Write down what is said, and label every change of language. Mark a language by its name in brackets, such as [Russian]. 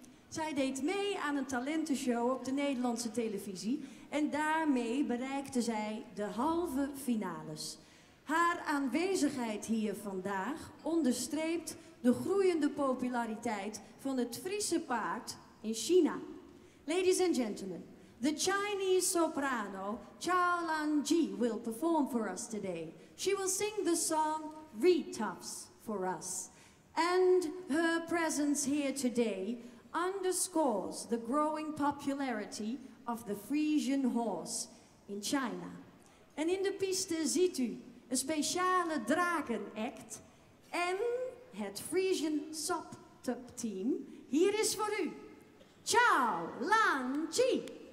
[Dutch] Zij deed mee aan een talentenshow op de Nederlandse televisie. En daarmee bereikte zij de halve finales. Haar aanwezigheid hier vandaag onderstreept de groeiende populariteit van het Friese paard in China. [English] Ladies and gentlemen, the Chinese soprano Xiaolan Ji will perform for us today. She will sing the song Retops for us. And her presence here today underscores the growing popularity of the Friesian horse in China. [Dutch] En in de piste ziet u een speciale drakenact en het Friesian Subtop Team. Hier is voor u Xiaolan Ji.